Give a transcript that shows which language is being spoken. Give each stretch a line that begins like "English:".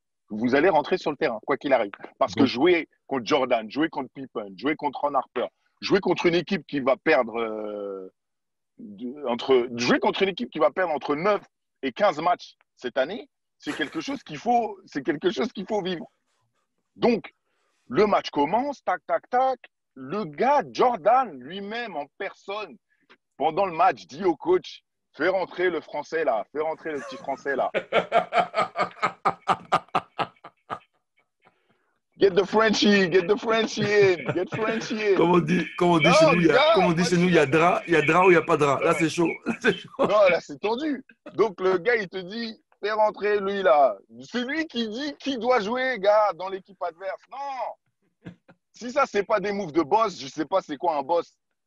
French: Vous allez rentrer sur le terrain, quoi qu'il arrive. Parce que jouer contre Jordan, jouer contre Pippen, jouer contre Ron Harper, jouer contre une équipe qui va perdre jouer contre une équipe qui va perdre entre 9 et 15 matchs cette année, c'est quelque chose qu'il faut vivre. Donc, le match commence, tac, tac, tac. Le gars, Jordan, lui-même, en personne, pendant le match, dit au coach, fais rentrer le français là, fais rentrer le petit français là.
English: Get the Frenchie, get the Frenchie in, get the Frenchie in.
French: Comme on dit chez nous, il y a drap ou il n'y a pas drap. Là, c'est chaud. Non, là, c'est tendu. Donc, le gars, il te dit, fais rentrer lui là. C'est lui qui dit qui doit jouer, gars, dans l'équipe adverse. Non! Si ça, ce n'est pas des moves de boss, je ne sais pas c'est quoi un boss.